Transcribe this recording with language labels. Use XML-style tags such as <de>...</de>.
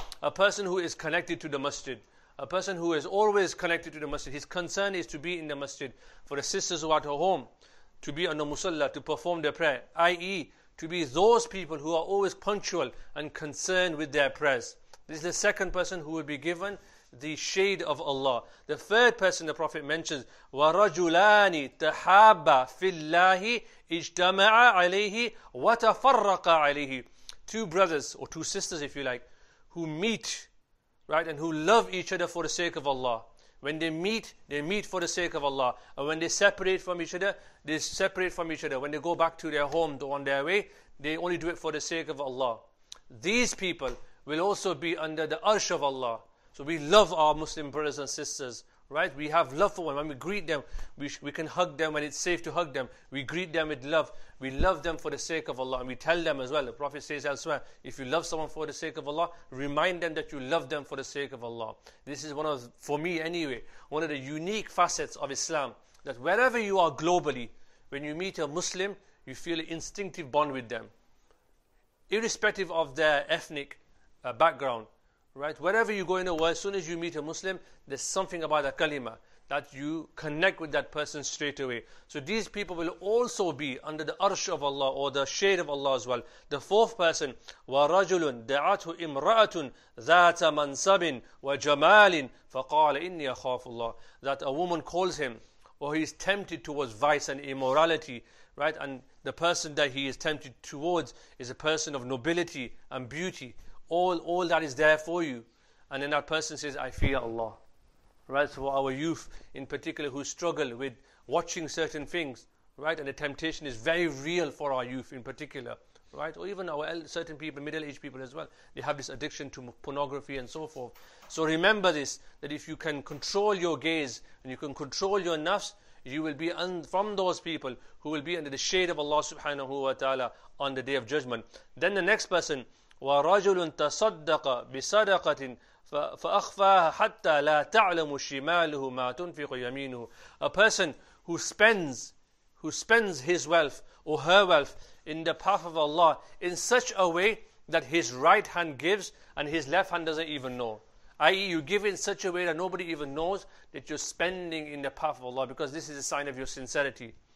<en>A person who is connected to the masjid. A person who is always connected to the masjid. His concern is to be in the masjid for the sisters who are at her home, to be on the musalla, to perform their prayer, i.e. to be those people who are always punctual and concerned with their prayers. This is the second person who will be given the shade of Allah. The third person the Prophet mentions,</en> <ar>وَرَجُلَانِ تَحَابَ فِي اللَّهِ اِجْتَمَعَ عَلَيْهِ وَتَفَرَّقَ عَلَيْهِ.</ar> <en>Two brothers, or two sisters if you like, who meet, right, and who love each other for the sake of Allah. When they meet for the sake of Allah. And when they separate from each other, they separate from each other. When they go back to their home, on their way, they only do it for the sake of Allah. These people will also be under the arsh of Allah. So we love our Muslim brothers and sisters, right? We have love for them. When we greet them, we can hug them when it's safe to hug them. We greet them with love. We love them for the sake of Allah. And we tell them as well. The Prophet says elsewhere, if you love someone for the sake of Allah, remind them that you love them for the sake of Allah. This is one of, for me anyway, one of the unique facets of Islam. That wherever you are globally, when you meet a Muslim, you feel an instinctive bond with them. Irrespective of their ethnic background, right? Wherever you go in the world, as soon as you meet a Muslim, there's something about a kalima that you connect with that person straight away. So these people will also be under the arsh of Allah or the shade of Allah as well. The fourth person,</en> <ar>وَرَجُلٌ دَعَتْهُ إِمْرَأَةٌ ذَاتَ مَنْسَبٍ وَجَمَالٍ فَقَالَ إِنِّي أَخَافُ اللَّهِ.</ar> <en>That a woman calls him, or he's tempted towards vice and immorality, right? And the person that he is tempted towards is a person of nobility and beauty. All that is there for you. And then that person says, I fear Allah. Right? For our youth in particular who struggle with watching certain things, right? And the temptation is very real for our youth in particular, right? Or even our certain people, middle-aged people as well. They have this addiction to pornography and so forth. So remember this, that if you can control your gaze and you can control your nafs, you will be from those people who will be under the shade of Allah subhanahu wa ta'ala on the Day of Judgment. Then the next person,</en> <ar>وَرَجُلٌ تَصَدَّقَ بِصَدَقَةٍ فَأَخْفَاهَ حَتَّى لَا تَعْلَمُ شِمَالُهُ مَا تُنْفِقُ يَمِينُهُ.</ar> <en>A person who spends his wealth or her wealth in the path of Allah in such a way that his right hand gives and his left hand doesn't even know. I.e. you give in such a way that nobody even knows that you're spending in the path of Allah, because this is a sign of your sincerity.</en>